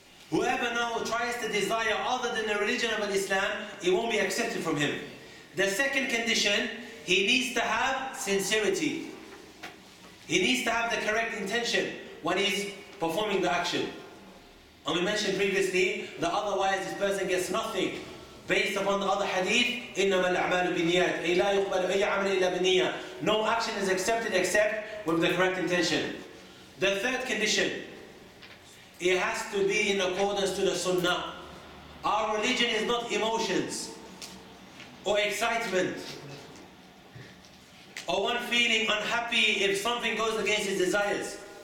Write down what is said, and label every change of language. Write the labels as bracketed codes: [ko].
[en] Whoever now tries to desire other than the religion of Islam, it won't be accepted from him. The second condition, he needs to have sincerity. He needs to have the correct intention when he's performing the action. And we mentioned previously that otherwise this person gets nothing. Based upon the other hadith, [ar] إِنَّمَا الْأَعْمَالُ بِنِيَاتِ أَيْ لَا يُقْبَلُ أَيْ عَمْلِ إِلَّا بِنِيَّةِ. [en] No action is accepted except with the correct intention. The third condition, it has to be in accordance to the sunnah. Our religion is not emotions or excitement or one feeling unhappy if something goes against his desires.